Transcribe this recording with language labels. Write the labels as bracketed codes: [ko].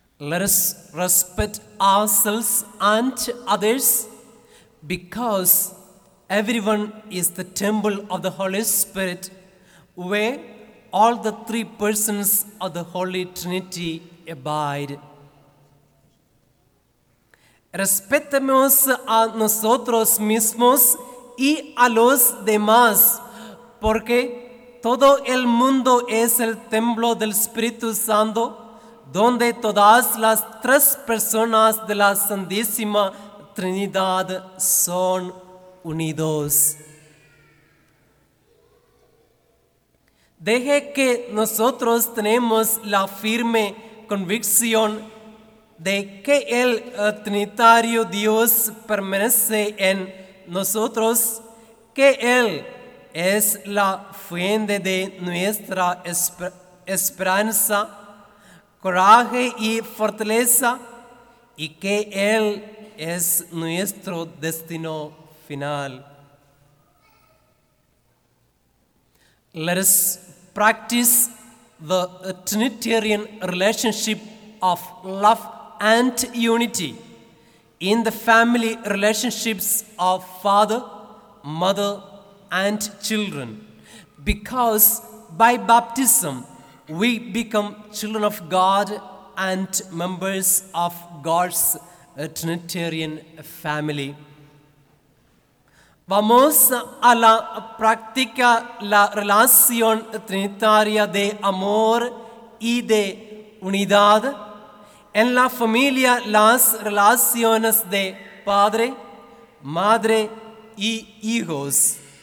[en] Let us respect ourselves and others because everyone is the temple of the Holy Spirit, where all the three persons of the Holy Trinity abide. [es] Respetemos a nosotros mismos y a los demás, porque todo el mundo es el templo del Espíritu Santo, donde todas las tres personas de la Santísima Trinidad son unidos. Deje que nosotros tenemos la firme convicción de que el Trinitario Dios permanece en nosotros, que Él es la fuente de nuestra esperanza, coraje y fortaleza, y que Él es nuestro destino final. [en] Let us practice the Trinitarian relationship of love and unity in the family relationships of father, mother, and children, because by baptism we become children of God and members of God's Trinitarian family. [es] Vamos a la práctica la relación trinitaria de amor y de unidad. En la familia, las relaciones de padre, madre y hijos.